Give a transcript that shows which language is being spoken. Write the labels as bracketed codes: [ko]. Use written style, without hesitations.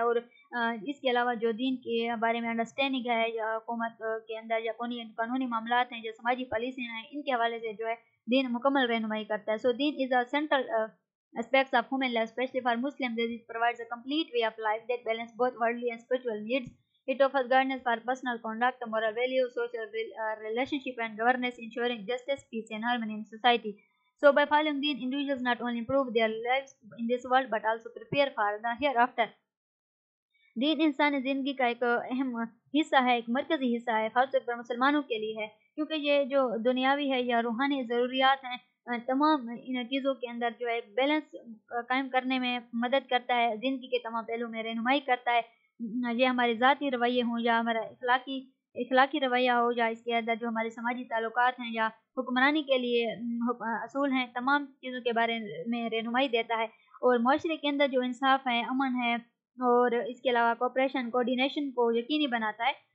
[ur] اور اس کے علاوہ جو دین کے بارے میں انڈرسٹینڈنگ ہے, یا حکومت کے اندر یا قانونی معاملات ہیں, یا سماجی پالیسیاں ہیں, ان کے حوالے سے جو ہے دین مکمل رہنمائی کرتا ہے. [en] So دین is a central aspects of human life, especially for Muslim. This provides a complete way of life that balance both worldly and spiritual needs. It offers guidance for personal conduct, moral values, social relationship and governance, ensuring justice, peace and harmony in society. So by following deen, individuals not only improve their lives in this world but also prepare for the hereafter. [ur] Deen insani zindagi ka ek ahem hissa hai, ek markazi hissa hai, khas taur par musalmanon ke liye hai, kyunki ye jo duniyavi hai ya ruhani zaruriyat hain, تمام ان چیزوں کے اندر جو ہے balance قائم کرنے میں مدد کرتا ہے, زندگی کے تمام پہلو میں رہنمائی کرتا ہے. یہ ہمارے ذاتی رویے ہوں, یا ہمارا اخلاقی رویہ ہو, یا اس کے اندر جو ہمارے سماجی تعلقات ہیں, یا حکمرانی کے لیے اصول ہیں, تمام چیزوں کے بارے میں رہنمائی دیتا ہے. اور معاشرے کے اندر جو انصاف ہے, امن ہے, اور اس کے علاوہ کوآپریشن, کوآرڈینیشن کو یقینی بناتا ہے.